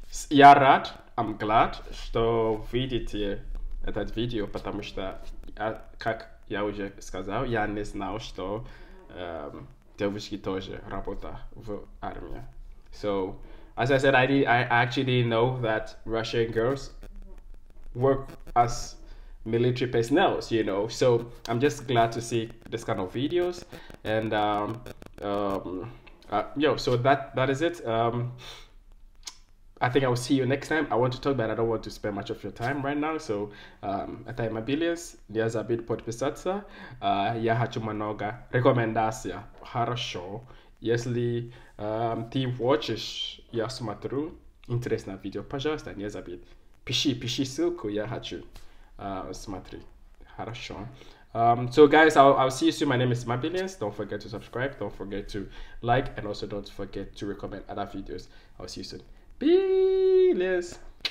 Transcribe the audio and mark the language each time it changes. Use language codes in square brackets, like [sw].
[ru] Я рад, [en] I'm glad, [ru] что видите этот видео, потому что, я, как я уже сказал, я не знал, что девушки тоже работают в армии. [en] So, as I said, I actually know that Russian girls work as military personnel, you know. So I'm just glad to see this kind of videos. And so that is it. I think I will see you next time. I want to talk, but I don't want to spend much of your time right now. [ru] So это моя билес, я забыл подписаться. Я хочу много рекомендаций. Хорошо. Если ты watchешь, я смотрю интересное видео, пожалуйста, не забудь. Пиши ссылку, я хочу смотреть. Хорошо. [en] So guys, I'll see you soon. My name is Mabilians. Don't forget to subscribe. Don't forget to like. And also don't forget to recommend other videos. I'll see you soon. Mabilians!